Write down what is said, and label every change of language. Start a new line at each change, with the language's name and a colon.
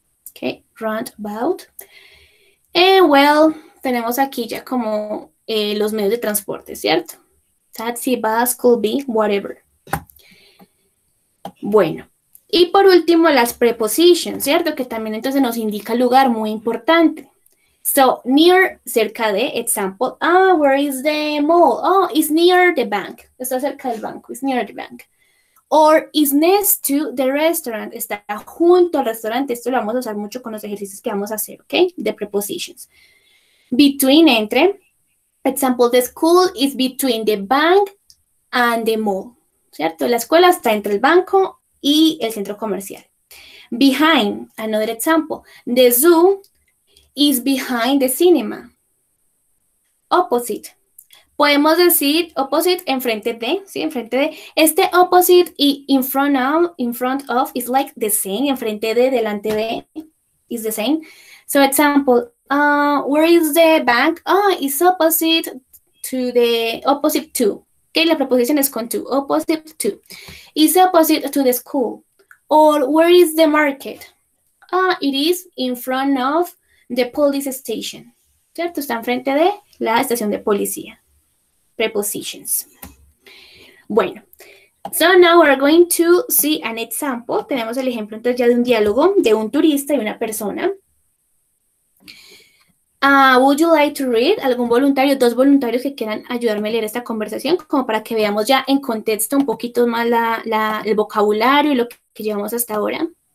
Spanish: Okay, roundabout. And well, tenemos aquí ya como los medios de transporte, ¿cierto?
English: Taxi, bus, could be, whatever.
Spanish: Bueno, y por último las prepositions, ¿cierto? Que también entonces nos indica el lugar, muy importante.
English: So, near,
Spanish: cerca de,
English: example, where is the mall? Oh, it's near the bank.
Spanish: Está cerca del banco,
English: it's near the bank. Or, it's next to the restaurant.
Spanish: Está junto al restaurante. Esto lo vamos a usar mucho con los ejercicios que vamos a hacer, ¿ok? De prepositions. Between, entre.
English: Example, the school is between the bank and the mall.
Spanish: ¿Cierto? La escuela está entre el banco y el centro comercial.
English: Behind, another example. The zoo is behind the cinema. Opposite.
Spanish: Podemos decir opposite enfrente de, ¿sí? Enfrente de.
English: Este opposite y in front of is like the same.
Spanish: Enfrente de, delante de,
English: is the same. So, example. Where is the bank? Oh, it's opposite to the opposite to.
Spanish: Okay, la preposición es con to, opposite to.
English: Is opposite to the school. Or where is the market? It is in front of the police station. ¿Cierto?
Spanish: Está enfrente de la estación de policía. Prepositions.
English: Bueno, so now we're going to see an example.
Spanish: Tenemos el ejemplo entonces ya de un diálogo de un turista y una persona.
English: Would you like to read?
Spanish: ¿Algún voluntario, dos voluntarios que quieran ayudarme a leer esta conversación, como para que veamos ya en contexto un poquito más el vocabulario y lo que llevamos hasta ahora?